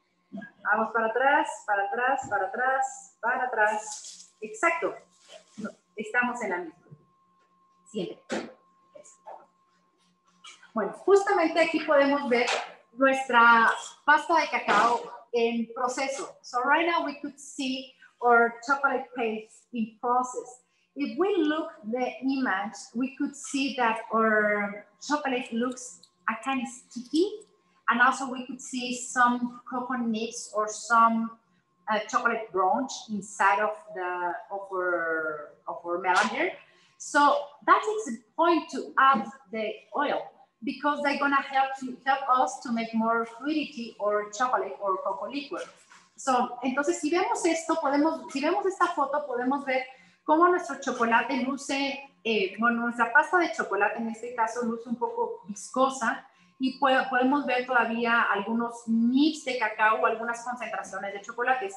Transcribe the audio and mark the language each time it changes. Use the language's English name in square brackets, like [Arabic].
[Spanish] Vamos para atrás. Exacto. No, estamos en la misma. Siempre. Bueno, justamente aquí podemos ver nuestra pasta de cacao en proceso. [English] So right now we could see our chocolate paste in process. If we look the image, we could see that our chocolate looks a kind of sticky. And also we could see some cocoa nibs or some chocolate brunch inside of our melanger. So that is the point to add the oil, because they're gonna help us to make more fluidity or chocolate or cocoa liquid. [Spanish] So, entonces si vemos esto, podemos ver cómo nuestro chocolate luce, nuestra pasta de chocolate en este caso luce un poco viscosa, y podemos ver todavía algunos nibs de cacao o algunas concentraciones de chocolate.